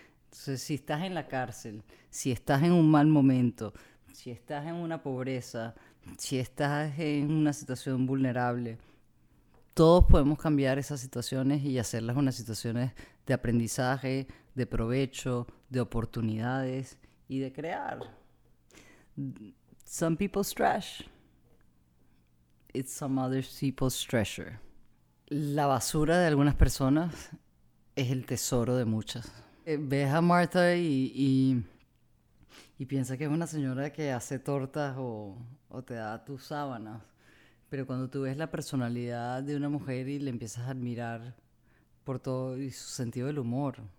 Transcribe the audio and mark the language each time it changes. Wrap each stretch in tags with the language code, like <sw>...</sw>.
<es>Entonces, si estás en la cárcel, si estás en un mal momento, si estás en una pobreza, Si estás en una situación vulnerable, todos podemos cambiar esas situaciones y hacerlas unas situaciones de aprendizaje, de provecho, de oportunidades y de crear.</es> <en>Some people's trash. It's some other people's treasure.</en> <es>La basura de algunas personas es el tesoro de muchas. Ves a Martha y piensa que es una señora que hace tortas o te da tus sábanas. Pero cuando tú ves la personalidad de una mujer y le empiezas a admirar por todo y su sentido del humor.</es>